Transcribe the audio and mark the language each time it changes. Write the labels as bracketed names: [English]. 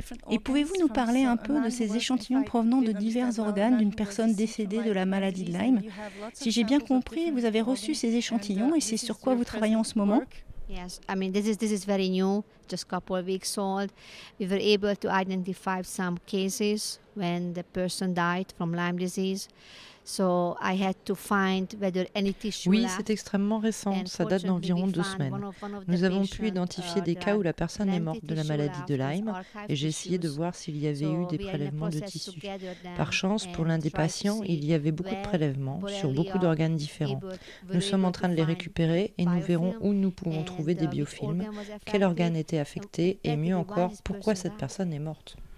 [French] Et pouvez-vous nous parler un peu de ces échantillons provenant de divers organes d'une personne décédée de la maladie de Lyme? Si j'ai bien compris, vous avez reçu ces échantillons et c'est sur quoi vous travaillez en ce moment? [English] Yes, I mean this is very new, just a couple of weeks old. We were able to identify some cases when the person died from Lyme disease. So I had to find whether any tissue. [French] Oui, c'est extrêmement récent. Ça date d'environ 2 semaines. Nous avons pu identifier des cas où la personne est morte de la maladie de Lyme, et j'ai essayé de voir s'il y avait eu des prélèvements de tissus. Par chance, pour l'un des patients, il y avait beaucoup de prélèvements sur beaucoup d'organes différents. Nous sommes en train de les récupérer et nous verrons où nous pouvons trouver des biofilms, quel organe était affecté et mieux encore, pourquoi cette personne est morte.